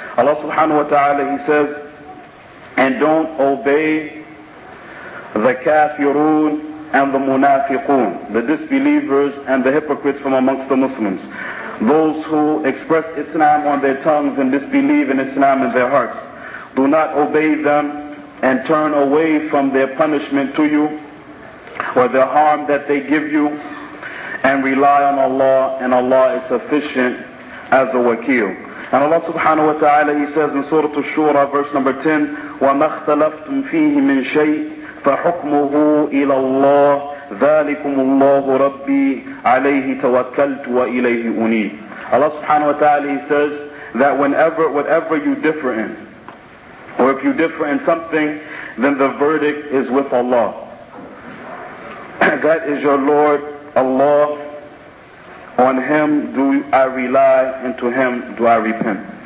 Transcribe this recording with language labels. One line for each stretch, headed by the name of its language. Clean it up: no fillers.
English: Allah subhanahu wa ta'ala, He says, and don't obey the kafirun and the munafiqun, the disbelievers and the hypocrites from amongst the Muslims, those who express Islam on their tongues and disbelieve in Islam in their hearts. Do not obey them and turn away from their punishment to you or the harm that they give you, and rely on Allah, and Allah is sufficient as a wakil. And Allah subhanahu wa ta'ala, He says in Surah Ash-Shura, verse number 10,
Arabic: وَمَا اخْتَلَفْتُمْ فِيهِ مِنْ شَيْءٍ فَحُكْمُهُ إِلَى اللَّهِ ذَلِكُمُ اللَّهُ رَبِّي عَلَيْهِ تَوَكَّلْتُ وَإِلَيْهِ أُنِيبُ.
English: Allah subhanahu wa ta'ala, He says that whatever you differ in, or if you differ in something, then the verdict is with Allah. that is your Lord Allah. On him do I rely, and to him do I repent.